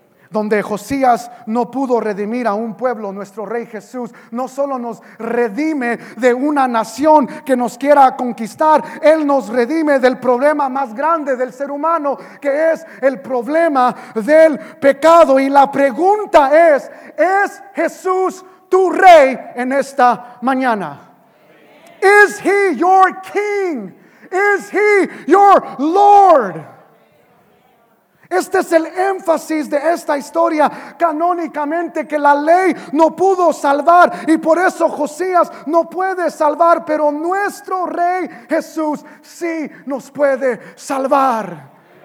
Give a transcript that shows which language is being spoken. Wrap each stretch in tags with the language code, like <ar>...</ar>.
<es>Donde Josías no pudo redimir a un pueblo, nuestro rey Jesús no solo nos redime de una nación que nos quiera conquistar, Él nos redime del problema más grande del ser humano, que es el problema del pecado. Y la pregunta ¿es Jesús tu rey en esta mañana?</es> <en>Is he your king? Is he your Lord?</en> <es>Este es el énfasis de esta historia canónicamente, que la ley no pudo salvar y por eso Josías no puede salvar, pero nuestro Rey Jesús sí nos puede salvar.</es>